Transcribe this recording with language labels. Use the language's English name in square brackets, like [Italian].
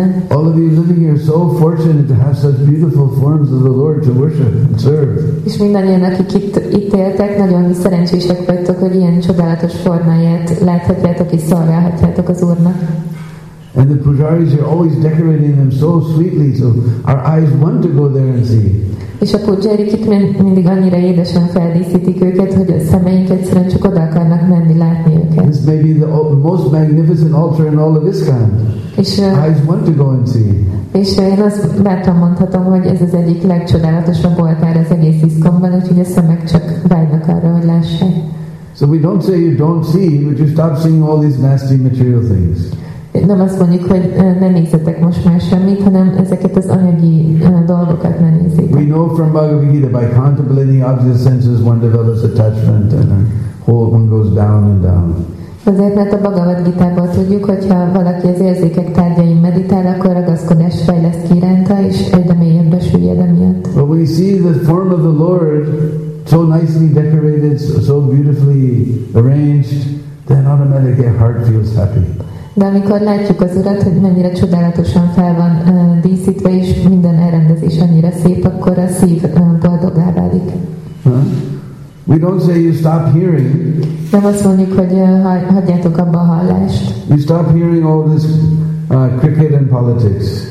[English] All of you living here are so fortunate to have such beautiful forms of the Lord to worship and serve. [Hungarian] És mindannyian, akik itt éltek, nagyon szerencsések vagytok, hogy ilyen csodálatos formáját láthatjátok és szolgálhatjátok az Úrnak. [English] And the pujaris are always decorating them so sweetly, so our eyes want to go there and see. [Hungarian] És a pujarik itt mindig annyira édesen feldíszítik őket, hogy a szemeink egyszerűen csak oda akarnak menni, látni őket. [English] This may be the most magnificent altar in all of ISKCON. Eyes want to go and see. [Hungarian] És én azt bátran mondhatom, hogy ez az egyik legcsodálatosabb oltár az egész ISKCON-ban, úgyhogy a szemek csak vágynak arra, hogy lássák. [English] So we don't say you don't see, but you stop seeing all these nasty material things. [Hungarian] Nem azt mondjuk, hogy ne nézzetek most már semmit, hanem ezeket az anyagi dolgokat ne nézzétek. [English] We know from Bhagavad Gita, by contemplating the object senses, one develops attachment, and a whole one goes down and down. [Hungarian] Azért, mert a Bhagavad Gitából tudjuk, hogyha valaki az érzékek tárgyain meditál, akkor ragaszkodás fejleszt ki iránta, és egyre mélyebb besüllyed emiatt. [English] But we see the form of the Lord so nicely decorated, so beautifully arranged, then automatically our heart feels happy. [Hungarian] De amikor látjuk az Urat, hogy mennyire csodálatosan fel van díszítve, és minden elrendezés annyira szép, akkor a szív boldoggá válik. Huh? [English] We don't say you stop hearing. [Hungarian] Nem azt mondjuk, hogy hagyjátok abba a hallást. [English] You stop hearing all this cricket and politics.